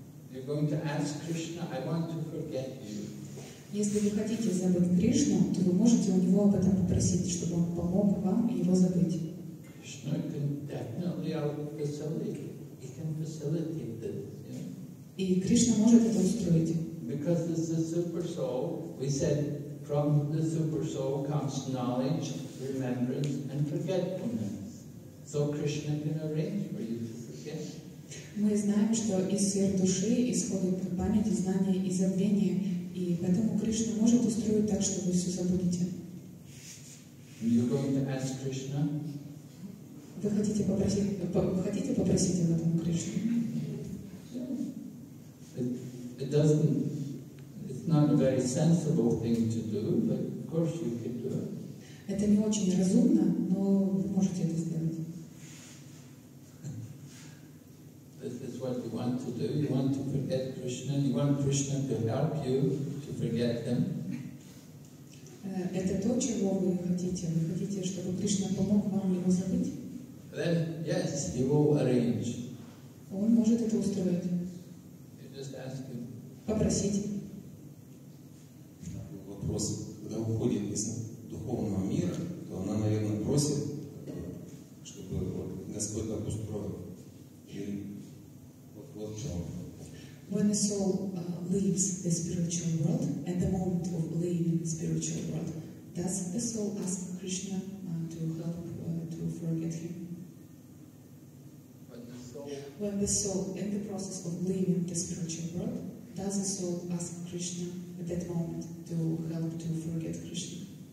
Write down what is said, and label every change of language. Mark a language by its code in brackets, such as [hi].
[en] You're going to ask Krishna, I want to forget you. [ru] Если вы хотите забыть Кришну, то вы можете у него об этом попросить, чтобы он помог вам его забыть. [en] Krishna can definitely facilitate. He can facilitate this. [ru] И Кришна может это устроить. [en] Because this is the super soul, we said, from the super soul comes knowledge, remembrance, and forgetfulness. So Krishna can arrange for you to forget. [ru] Мы знаем, что из сердца исходит память, и знание, и забвение, и поэтому Кришна может устроить так, что вы все забудете. [en] You're going to ask Krishna? [ru] Вы хотите попросить об этом Кришну? [en] It's not a very sensible thing to do, but of course you can do it. [ru] Это не очень разумно, но вы можете это сделать. [en] This is what you want to do. You want to forget Krishna. You want Krishna to help you to forget him. [ru] Это то, чего вы хотите. Вы хотите, чтобы Кришна помог вам его забыть? [en] Then yes, he will arrange. [ru] Он может это устроить. [en] You just ask him. [ru] Попросить. Вопрос. Когда уходит из духовного мира, то она, наверное, просит, чтобы Господь так устроил. Или вот в чем. [en] When a soul leaves the spiritual world, at the moment of leaving the spiritual world, does the soul ask Krishna to help to forget him? When the soul in the process of leaving the spiritual world, does the soul ask Krishna at that moment to help to forget Krishna?